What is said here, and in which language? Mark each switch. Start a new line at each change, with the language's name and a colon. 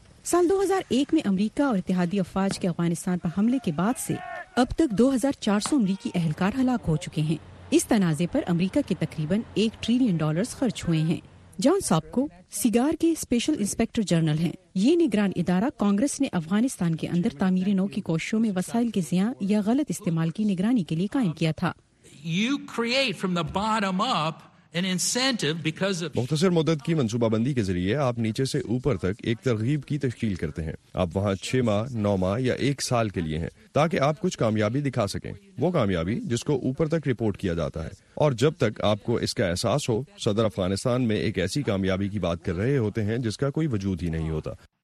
Urdu: سال 2001 میں امریکہ اور اتحادی افواج کے افغانستان پر حملے کے بعد سے اب تک 2400 امریکی اہلکار ہلاک ہو چکے ہیں. اس تنازع پر امریکہ کے تقریباً $1 trillion خرچ ہوئے ہیں. جان ساپکو سیگار کے اسپیشل انسپیکٹر جنرل ہیں. یہ نگران ادارہ کانگریس نے افغانستان کے اندر تعمیر نو کی کوششوں میں وسائل کے ضیاع یا غلط استعمال کی نگرانی کے لیے قائم کیا تھا.
English: You create from the bottom up an incentive because of
Urdu: مختصر مدت کی منصوبہ بندی کے ذریعے آپ نیچے سے اوپر تک ایک ترغیب کی تشکیل کرتے ہیں. آپ وہاں 6 ماہ 9 ماہ یا 1 سال کے لیے ہیں تاکہ آپ کچھ کامیابی دکھا سکیں, وہ کامیابی جس کو اوپر تک رپورٹ کیا جاتا ہے. اور جب تک آپ کو اس کا احساس ہو, صدر افغانستان میں ایک ایسی کامیابی کی بات کر رہے ہوتے ہیں جس کا کوئی وجود ہی نہیں ہوتا.